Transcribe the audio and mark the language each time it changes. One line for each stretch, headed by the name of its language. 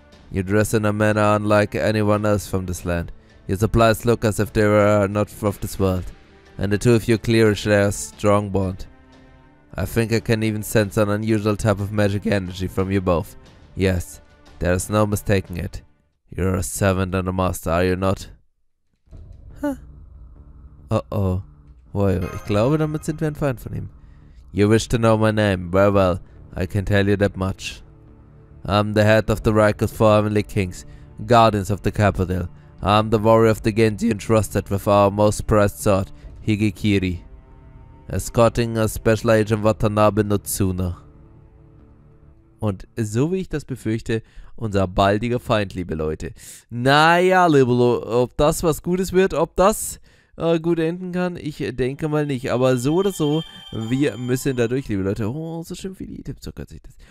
English: You dress in a manner unlike anyone else from this land. Your supplies look as if they were not of this world. And the two of you clearly share a strong bond. I think I can even sense an unusual type of magic energy from you both. Yes, there is no mistaking it. You're a servant and a master, are you not? Huh? Oh.
German: Ich glaube, damit sind wir ein Feind von ihm.
English: You wish to know my name? Very well, I can tell you that much. I'm the head of the Reich of Four Heavenly Kings, guardians of the capital. I'm the warrior of the Genji entrusted with our most prized sword, Higekiri. Escorting a special agent Watanabe no Tsuna.
German: Und so wie ich das befürchte, unser baldiger Feind, liebe Leute. Naja, liebe Leute, ob das was Gutes wird, ob das gut enden kann, ich denke mal nicht. Aber so oder so, wir müssen da durch, liebe Leute. Oh, so schön viele Items, so kürzlich das.